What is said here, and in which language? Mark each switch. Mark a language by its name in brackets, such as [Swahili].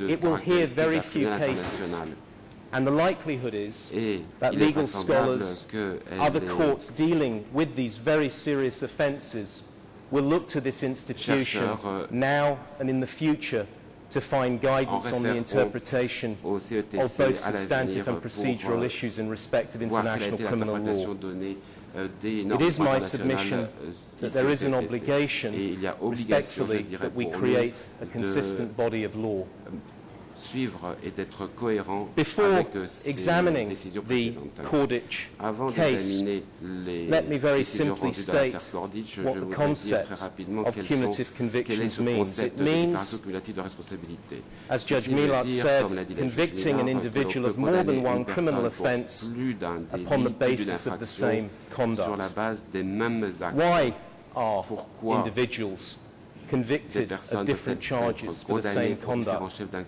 [English] It will hear very few cases, and the likelihood is that legal scholars, other courts dealing with these very serious offences, will look to this institution now and in the future to find guidance on the interpretation of both substantive and procedural issues in respect of international criminal law. It is my submission that there is an obligation, respectfully, that we create a consistent body of law. [French] suivre et d'être cohérent avec ces décisions précédentes. Avant d'examiner les décisions rendues dans l'affaire Cordich, je voudrais dire très rapidement quel est ce concept de déclaration cumulative de responsabilité. [English] As Judge Millard said, convicting an individual of more than one criminal offense upon the basis of the same conduct. [French] Sur la base des mêmes actes. [English] Why are individuals convicted of different charges for the same conduct?